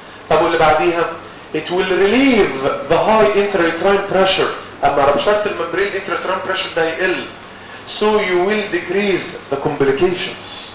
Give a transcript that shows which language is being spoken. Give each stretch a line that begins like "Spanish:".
Arabic: طب واللي بعديها؟
English: It will relieve the high intrauterine pressure.
Arabic: اما ربشات الممبرين intrauterine pressure ده هيقل.
English: So you will decrease the complications.